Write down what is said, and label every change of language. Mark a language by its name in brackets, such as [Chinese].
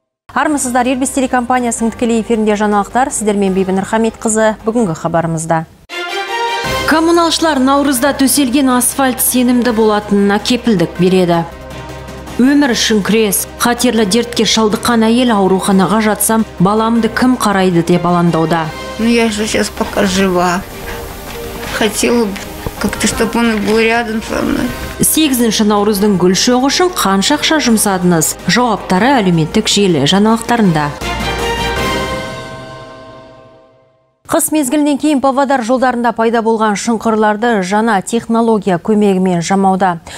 [Kazakh] Армысыздар, Ербес телекомпаниясының тікелей эфирінде жаналықтар. Сіздермен Бибінұр Хамитқызы, бүгінгі хабарымызда. Коммуналшылар наурызда төселген асфальт сенімді болатынына кепілдік береді. Өмір үшін күрес, қатерлі дертке шалдыққан әйел ауруханаға жатсам, баламды кім қарайды деп алаңдауда. [Russian] Ну, я же сейчас пока жива. Хотела бы как-то, чтобы он был рядом со мной. [Kazakh] 8-ші наурыздың гүлшоғы үшін қанша ақша жұмсадыңыз? Жауаптары әлеуметтік желі жаңалықтарында. Қыс мезгілінен кейін Павлодар жолдарында пайда болған шұңқырларды жаңа технология көмегімен жамауда.